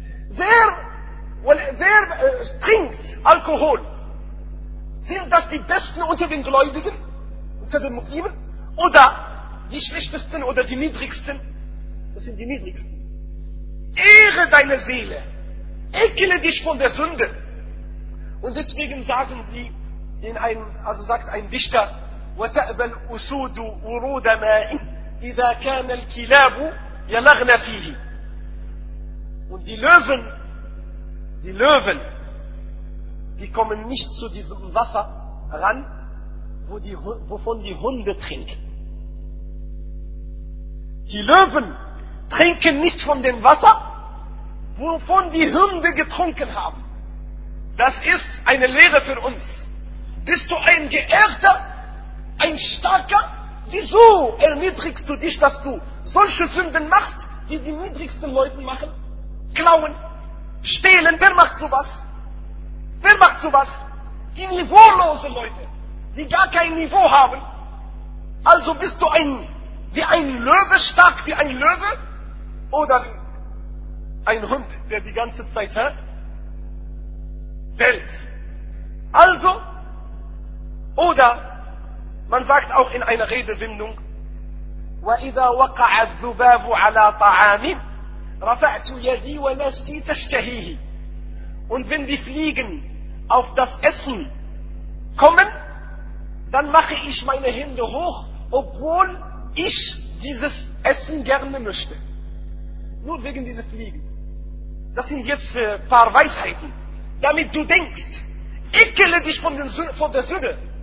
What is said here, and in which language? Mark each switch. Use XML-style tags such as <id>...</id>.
<de>Wer trinkt Alkohol? Sind das die Besten unter den Gläubigen, unter den Muslimen? Oder die Schlechtesten oder die Niedrigsten? Das sind die Niedrigsten. Ehre deine Seele. Ekele dich von der Sünde. Und deswegen sagen sie, sagt ein Dichter,</de> <ar>وَتَأْبَ الْأُسُودُ وُرُودَ مَاءٍ إِذَا كَانَ الْكِلَابُ يَلَغْنَ فِيهِ.</ar> <de>Und die Löwen, die kommen nicht zu diesem Wasser ran, wovon die Hunde trinken. Die Löwen trinken nicht von dem Wasser, wovon die Hunde getrunken haben. Das ist eine Lehre für uns. Bist du ein Geehrter, ein Starker? Wieso erniedrigst du dich, dass du solche Sünden machst, die die niedrigsten Leute machen? Klauen, stehlen, wer macht sowas? Wer macht sowas? Die niveaulosen Leute, die gar kein Niveau haben. Also bist du wie ein Löwe, stark wie ein Löwe? Oder wie ein Hund, der die ganze Zeit bellt? Also, oder man sagt auch in einer Redewendung,</de> <ar>وَإِذَا وَقَعَ الذُّبَابُ عَلَى طَعَامٍ رَفَعْتُ يَدِي وَنَفْسِي تَشْتَهِيهِ.</ar> <de>Und wenn die Fliegen auf das Essen kommen, dann mache ich meine Hände hoch, obwohl ich dieses Essen gerne möchte. Nur wegen dieser Fliegen. Das sind jetzt ein paar Weisheiten. Damit du denkst, ekele dich von der Sünde.</de>